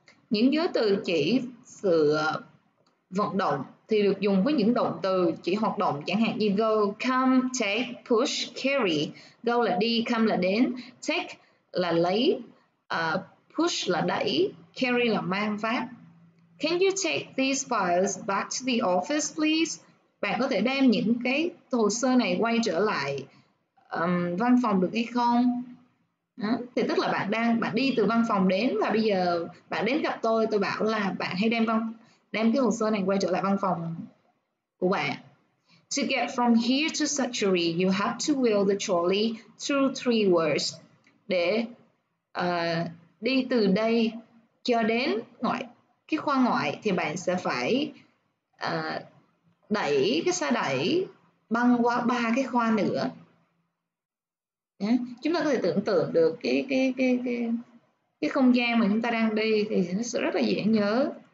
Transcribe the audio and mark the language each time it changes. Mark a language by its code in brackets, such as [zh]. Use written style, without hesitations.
[vi] Những giới từ chỉ sự vận động thì được dùng với những động từ chỉ hoạt động, chẳng hạn như go, come, take, push, carry. Go là đi, come là đến, take là lấy, push là đẩy, carry là mang vác. [en] Can you take these files back to the office, please? [vi] Bạn có thể đem những cái hồ sơ này quay trở lại văn phòng được hay không? Đó. Thì tức là bạn đi từ văn phòng đến và bây giờ bạn đến gặp tôi bảo là bạn hãy đem cái hồ sơ này quay trở lại văn phòng của bạn. [en] To get from here to surgery, you have to wheel the trolley through three words. [vi] Để đi từ đây cho đến ngoại cái khoa ngoại thì bạn sẽ phải đẩy cái xe đẩy băng qua ba cái khoa nữa. Chúng ta có thể tưởng tượng được cái không gian mà chúng ta đang đi thì nó sẽ rất là dễ nhớ.